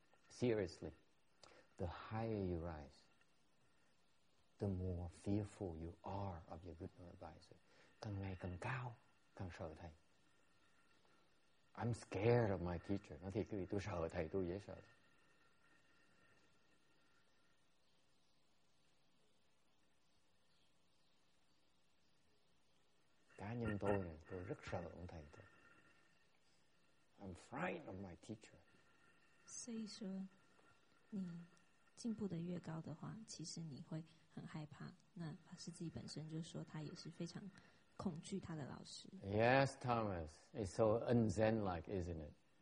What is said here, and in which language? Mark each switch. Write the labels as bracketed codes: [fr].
[en] Seriously, the higher you rise, the more fearful you are of your good advisor. [vi] Càng ngày càng cao, càng sợ thầy. [en] I'm scared of my teacher. [vi] Nói thiệt, tôi sợ thầy, tôi dễ sợ. Cá nhân tôi này, tôi rất sợ ông thầy tôi. [en] I'm frightened of my teacher. [zh] 所以说，你进步的越高的话，其实你会很害怕。那法师自己本身就说，他也是非常恐惧他的老师。 [en] Yes, Thomas, it's so unzen-like, isn't it?